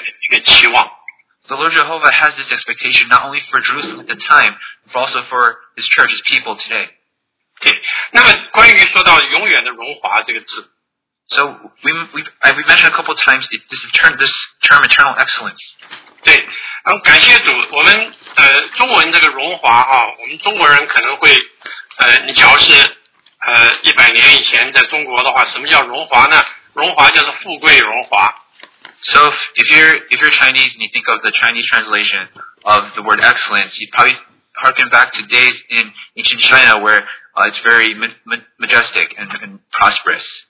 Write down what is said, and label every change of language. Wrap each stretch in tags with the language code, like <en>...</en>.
<en>The Lord Jehovah has this expectation not only for Jerusalem at the time, but also for his church, his people today.</en> <zh>对，那么关于说到永远的荣华这个字，</zh> <en>so we mentioned a couple of times this term eternal excellence.</en> <zh>对，感谢主，我们中文这个荣华啊，我们中国人可能会，你假如是一百年以前在中国的话，什么叫荣华呢？荣华就是富贵荣华。</zh> <en>So if you're Chinese and you think of the Chinese translation of the word excellence, you'd probably harken back to days in ancient China where it's very majestic and prosperous.</en>